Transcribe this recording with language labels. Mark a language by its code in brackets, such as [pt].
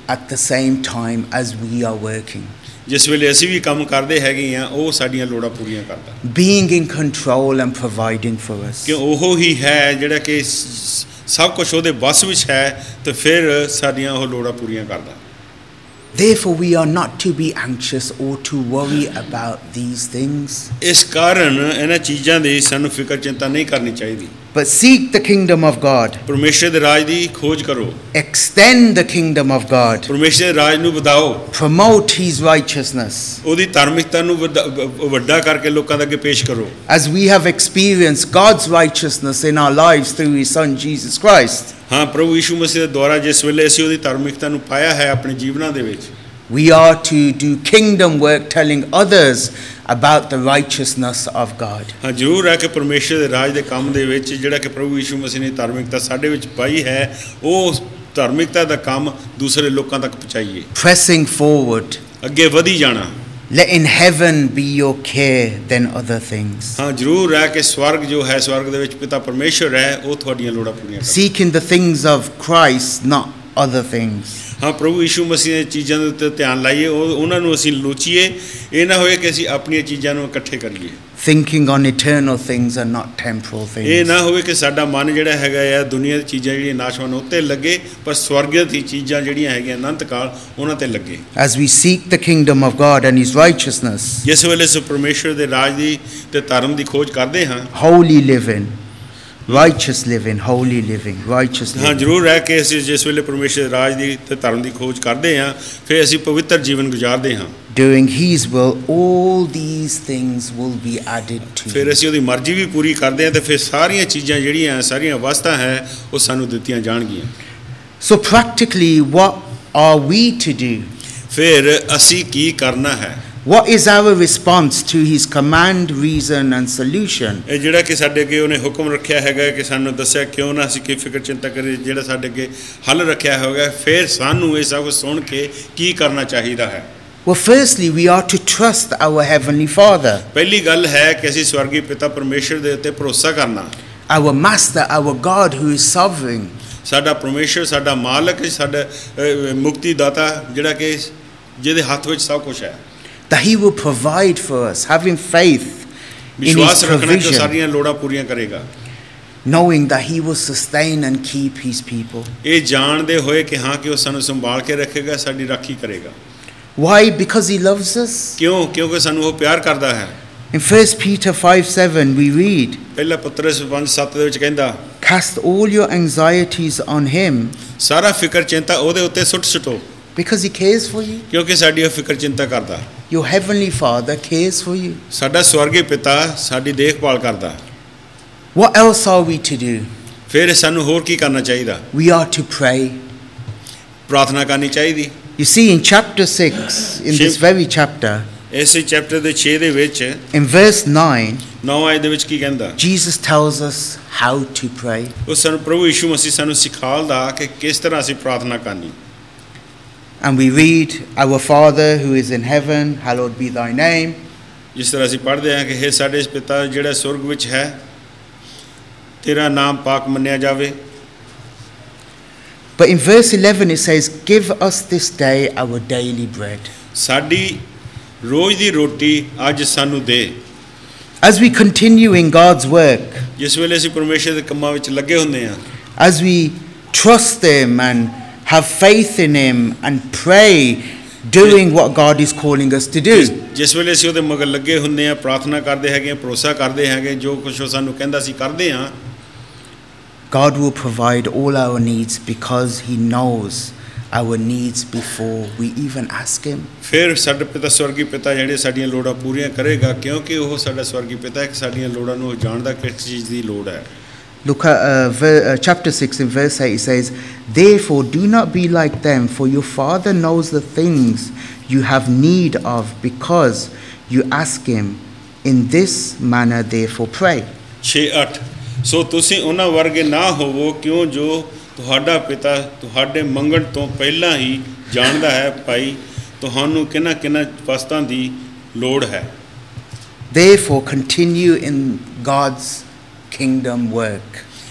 [en] at the same time as we are working, [pa] ਜਿਸ ਵੇਲੇ ਅਸੀਂ ਵੀ ਕੰਮ ਕਰਦੇ ਹੈਗੇ ਹਾਂ, ਉਹ ਸਾਡੀਆਂ ਲੋੜਾਂ ਪੂਰੀਆਂ ਕਰਦਾ, [en] being in control and providing for us, [pa] ਕਿ ਉਹ ਹੀ ਹੈ ਜਿਹੜਾ ਕਿ ਸਭ ਕੁਝ ਉਹਦੇ ਬਸ ਵਿੱਚ ਹੈ, ਤੇ ਫਿਰ ਸਾਡੀਆਂ ਉਹ ਲੋੜਾਂ ਪੂਰੀਆਂ ਕਰਦਾ। [en] Therefore we are not to be anxious or to worry about these things. [pa] Is karan ina cheezan di sanu fikr chinta nahi karni chahidi. [en] But seek the kingdom of God. [pa] Parmeshwar de raj di khoj karo. [en] Extend the kingdom of God. [pa] Parmeshwar de raj nu badhao. [en] Promote his righteousness. [pa] Odi dharmikta nu vadda karke lokan de agge pesh karo. [en] As we have experienced God's righteousness in our lives through his son Jesus Christ. [pa] ਹਾਂ ਪ੍ਰਭੂ ਯਿਸੂ ਮਸੀਹ ਦੇ ਦੁਆਰਾ ਜਿਸ ਵੇਲੇ ਅਸੀਂ ਉਹਦੀ ਧਾਰਮਿਕਤਾ ਨੂੰ ਪਾਇਆ ਹੈ ਆਪਣੇ ਜੀਵਨਾਂ ਦੇ ਵਿੱਚ, [en] We are to do kingdom work telling others about the righteousness of God. [pa] ਹਾਂ ਜ਼ਰੂਰ ਹੈ ਕਿ ਪਰਮੇਸ਼ਰ ਦੇ ਰਾਜ ਦੇ ਕੰਮ ਦੇ ਵਿੱਚ ਜਿਹੜਾ ਕਿ ਪ੍ਰਭੂ ਯਿਸੂ ਮਸੀਹ ਨੇ ਧਾਰਮਿਕਤਾ ਸਾਡੇ ਵਿੱਚ ਪਾਈ ਹੈ, ਉਹ ਧਾਰਮਿਕਤਾ ਦਾ ਕੰਮ ਦੂਸਰੇ ਲੋਕਾਂ ਤੱਕ ਪਹੁੰਚਾਈਏ। [en] facing forward, [pa] ਅੱਗੇ ਵਧੀ ਜਾਣਾ। [en] Let in heaven be your care than other things. [pa] ਹਾਂ ਜ਼ਰੂਰ ਹੈ ਕਿ ਸਵਰਗ ਜੋ ਹੈ, ਸਵਰਗ ਦੇ ਵਿੱਚ ਪਿਤਾ ਪਰਮੇਸ਼ਵਰ ਹੈ, ਉਹ ਤੁਹਾਡੀਆਂ ਲੋੜਾਂ ਪੂਰੀਆਂ ਕਰੇ। [en] Seek in the things of Christ, not other things. [pa] ਹਾਂ ਪ੍ਰਭੂ ਯਿਸੂ ਮਸੀਹ ਦੀਆਂ ਚੀਜ਼ਾਂ ਦੇ ਉੱਤੇ ਧਿਆਨ ਲਾਈਏ, ਉਹ ਉਹਨਾਂ ਨੂੰ ਅਸੀਂ ਲੋਚੀਏ, ਇਹ ਨਾ ਹੋਏ ਕਿ ਅਸੀਂ ਆਪਣੀਆਂ ਚੀਜ਼ਾਂ ਨੂੰ ਇਕੱਠੇ ਕਰੀਏ। [en] Thinking on eternal things and not temporal things. [pa] ਇਹ ਨਾ ਹੋਵੇ ਕਿ ਸਾਡਾ ਮਨ ਜਿਹੜਾ ਹੈਗਾ ਆ ਦੁਨੀਆਂ ਦੀ ਚੀਜ਼ਾਂ ਜਿਹੜੀਆਂ ਨਾਸ਼ਵਾਨ ਉੱਤੇ ਲੱਗੇ, ਪਰ ਸਵਰਗ ਦੀ ਚੀਜ਼ਾਂ ਜਿਹੜੀਆਂ ਹੈਗੀਆਂ ਅਨੰਤ ਕਾਲ ਉਹਨਾਂ 'ਤੇ ਲੱਗੇ। [en] As we seek the kingdom of God and his righteousness. [pa] ਜਿਸ ਵੇਲੇ ਅਸੀਂ ਪਰਮੇਸ਼ਵਰ ਦੇ ਰਾਜ ਦੀ ਅਤੇ ਧਰਮ ਦੀ ਖੋਜ ਕਰਦੇ ਹਾਂ, [en] Holy living, righteous living, holy living, righteous living. [pa] ਹਾਂ ਜ਼ਰੂਰ ਰਹਿ ਕੇ ਅਸੀਂ ਜਿਸ ਵੇਲੇ ਪਰਮੇਸ਼ਰ ਰਾਜ ਦੀ ਅਤੇ ਧਰਮ ਦੀ ਖੋਜ ਕਰਦੇ ਹਾਂ, ਫਿਰ ਅਸੀਂ ਪਵਿੱਤਰ ਜੀਵਨ ਗੁਜ਼ਾਰਦੇ ਹਾਂ। [en] Doing his will, all these things will be added to you. [pa] ਫਿਰ ਅਸੀਂ ਉਹਦੀ ਮਰਜ਼ੀ ਵੀ ਪੂਰੀ ਕਰਦੇ ਹਾਂ ਅਤੇ ਫਿਰ ਸਾਰੀਆਂ ਚੀਜ਼ਾਂ ਜਿਹੜੀਆਂ ਸਾਰੀਆਂ ਵਸਤਾਂ ਹੈ ਉਹ ਸਾਨੂੰ ਦਿੱਤੀਆਂ ਜਾਣਗੀਆਂ। [en] so practically what are we to do, [pa] ਫਿਰ ਅਸੀਂ ਕੀ ਕਰਨਾ ਹੈ? [en] What is our response to his command, reason and solution? [pa] ਇਹ ਜਿਹੜਾ ਕਿ ਸਾਡੇ ਅੱਗੇ ਉਹਨੇ ਹੁਕਮ ਰੱਖਿਆ ਹੈਗਾ ਕਿ ਸਾਨੂੰ ਦੱਸਿਆ ਕਿਉਂ ਨਾ ਅਸੀਂ ਕੀ ਫਿਕਰ ਚਿੰਤਾ ਕਰੀਏ, ਜਿਹੜਾ ਸਾਡੇ ਅੱਗੇ ਹੱਲ ਰੱਖਿਆ ਹੋਗਾ, ਫਿਰ ਸਾਨੂੰ ਇਹ ਸਭ ਸੁਣ ਕੇ ਕੀ ਕਰਨਾ ਚਾਹੀਦਾ ਹੈ? [en] Well, firstly, we are to trust our heavenly father. [pa] ਪਹਿਲੀ ਗੱਲ ਹੈ ਕਿ ਅਸੀਂ ਸਵਰਗੀ ਪਿਤਾ ਪਰਮੇਸ਼ਰ ਦੇ ਉੱਤੇ ਭਰੋਸਾ ਕਰਨਾ। [en] Our master, our God who is sovereign. [pa] ਸਾਡਾ ਪਰਮੇਸ਼ਰ, ਸਾਡਾ ਮਾਲਕ, ਸਾਡਾ ਮੁਕਤੀ ਦਾਤਾ, ਜਿਹੜਾ ਕਿ ਜਿਹਦੇ ਹੱਥ ਵਿੱਚ ਸਭ ਕੁਝ ਹੈ। [en] That he will provide for us, having faith in his provision, [pa] ਸਾਰੀਆਂ ਲੋੜਾਂ ਪੂਰੀਆਂ ਕਰੇਗਾ। [en] Knowing that he will sustain and keep his people. [pa] ਇਹ ਜਾਣਦੇ ਹੋਏ ਕਿ ਹਾਂ ਕਿ ਉਹ ਸਾਨੂੰ ਸੰਭਾਲ ਕੇ ਰੱਖੇਗਾ, ਸਾਡੀ ਰਾਖੀ ਕਰੇਗਾ। [en] Why? Because he loves us. [pa] ਕਿਉਂ? ਕਿਉਂਕਿ ਸਾਨੂੰ ਉਹ ਪਿਆਰ ਕਰਦਾ ਹੈ। [en] In 1 Peter 5:7 we read. [pa] ਪਹਿਲਾ ਪਤਰਸ 5:7 ਦੇ ਵਿੱਚ ਕਹਿੰਦਾ, [en] Cast all your anxieties on him. [pa] ਸਾਰਾ ਫਿਕਰ ਚਿੰਤਾ ਉਹਦੇ ਉੱਤੇ ਸੁੱਟ ਸੁੱਟੋ। [en] Because he cares for you. [pa] ਕਿਉਂਕਿ ਸਾਡੀ ਉਹ ਫਿਕਰ ਚਿੰਤਾ ਕਰਦਾ। [en] Your heavenly father cares for you. [pa] ਸਾਡਾ ਸਵਰਗੀ ਪਿਤਾ ਸਾਡੀ ਦੇਖਭਾਲ ਕਰਦਾ। [en] What else are we to do? [pa] ਫਿਰ ਸਾਨੂੰ ਹੋਰ ਕੀ ਕਰਨਾ ਚਾਹੀਦਾ? [en] We are to pray. [pa] ਪ੍ਰਾਰਥਨਾ ਕਰਨੀ ਚਾਹੀਦੀ। [en] You see in chapter 6, in this very chapter, [pa] ਇਸ ਚੈਪਟਰ ਦੇ 6 ਦੇ ਵਿੱਚ, [en] in verse 9, [pa] 9 ਆਇਤ ਦੇ ਵਿੱਚ ਕੀ ਕਹਿੰਦਾ? [en] Jesus tells us how to pray. [pa] ਉਹ ਸਾਨੂੰ, ਪ੍ਰਭੂ ਯਿਸੂ ਮਸੀਹ ਸਾਨੂੰ ਸਿਖਾਉਂਦਾ ਕਿ ਕਿਸ ਤਰ੍ਹਾਂ ਅਸੀਂ ਪ੍ਰਾਰਥਨਾ ਕਰਨੀ। [en] And we read, Our Father who is in heaven, hallowed be thy name. [pa] ਜਿਸ ਤਰ੍ਹਾਂ ਅਸੀਂ ਪੜ੍ਹਦੇ ਹਾਂ ਕਿ ਹੇ ਸਾਡੇ ਪਿਤਾ ਜਿਹੜਾ ਸੁਰਗ ਵਿੱਚ ਹੈ, ਤੇਰਾ ਨਾਮ ਪਾਕ ਮੰਨਿਆ ਜਾਵੇ। [en] But in verse 11 it says, Give us this day our daily bread. [pa] ਸਾਡੀ ਰੋਜ਼ ਦੀ ਰੋਟੀ ਅੱਜ ਸਾਨੂੰ ਦੇ। [en] As we continue in God's work, [pa] ਜਿਸ ਵੇਲੇ ਅਸੀਂ ਪਰਮੇਸ਼ਰ ਦੇ ਕੰਮਾਂ ਵਿੱਚ ਲੱਗੇ ਹੁੰਦੇ ਹਾਂ, [en] As we trust him and have faith in him and pray doing what God is calling us to do. [pa] ਜਿਸ ਵੇਲੇ ਅਸੀਂ ਉਹਦੇ ਮਗਰ ਲੱਗੇ ਹੁੰਦੇ ਹਾਂ, ਪ੍ਰਾਰਥਨਾ ਕਰਦੇ ਹੈਗੇ, ਭਰੋਸਾ ਕਰਦੇ ਹੈਗੇ, ਜੋ ਕੁਛ ਉਹ ਸਾਨੂੰ ਕਹਿੰਦਾ ਸੀ ਕਰਦੇ ਹਾਂ, [en] God will provide all our needs because he knows our needs before we even ask him. [pa] ਫਿਰ ਸਾਡਾ ਪਿਤਾ ਸਵਰਗੀ ਪਿਤਾ ਜਿਹੜੇ ਸਾਡੀਆਂ ਲੋੜਾਂ ਪੂਰੀਆਂ ਕਰੇਗਾ ਕਿਉਂਕਿ ਉਹ ਸਾਡਾ ਸਵਰਗੀ ਪਿਤਾ ਹੈ ਕਿ ਸਾਡੀਆਂ ਲੋੜਾਂ ਨੂੰ ਉਹ ਜਾਣਦਾ ਕਿਸ ਚੀਜ਼ ਦੀ ਲੋੜ ਹੈ. [en] Luke chapter 6 in verse 8 says, therefore do not be like them, for your father knows the things you have need of because you ask him. In this manner therefore pray. [pa] 6-8 ਸੋ ਤੁਸੀਂ ਉਹਨਾਂ ਵਰਗੇ ਨਾ ਹੋਵੋ ਕਿਉਂ ਜੋ ਤੁਹਾਡਾ ਪਿਤਾ ਤੁਹਾਡੇ ਮੰਗਣ ਤੋਂ ਪਹਿਲਾਂ ਹੀ ਜਾਣਦਾ ਹੈ ਭਾਈ ਤੁਹਾਨੂੰ ਕਿਹਨਾਂ ਕਿਹਨਾਂ ਵਸਤਾਂ ਦੀ ਲੋੜ ਹੈ. [en] Therefore continue in God's kingdom work.